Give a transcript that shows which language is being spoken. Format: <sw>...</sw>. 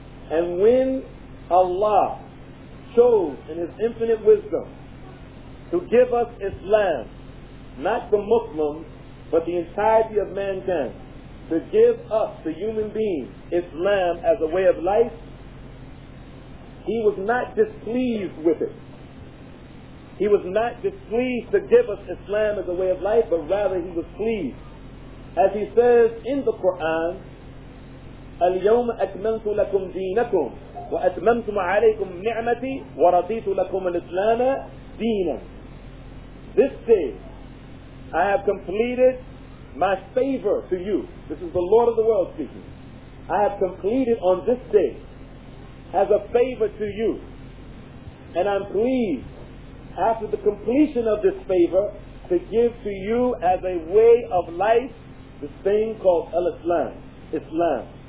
<en>And when Allah chose in His infinite wisdom to give us Islam, not the Muslims, but the entirety of mankind, to give us, the human beings, Islam as a way of life, He was not displeased with it. He was not displeased to give us Islam as a way of life, but rather He was pleased. As He says in the Quran,</en> <ar>الْيَوْمَ أَكْمَلْتُ لَكُمْ دِينَكُمْ وَأَتْمَمْتُ عَلَيْكُمْ نِعْمَتِي وَرَضِيتُ لَكُمْ الْإِسْلَامَ دِينًا.</ar> <en>This day, I have completed my favor to you. This is the Lord of the world speaking. I have completed on this day as a favor to you. And I'm pleased, after the completion of this favor, to give to you as a way of life this thing called al-Islam, Islam.</en>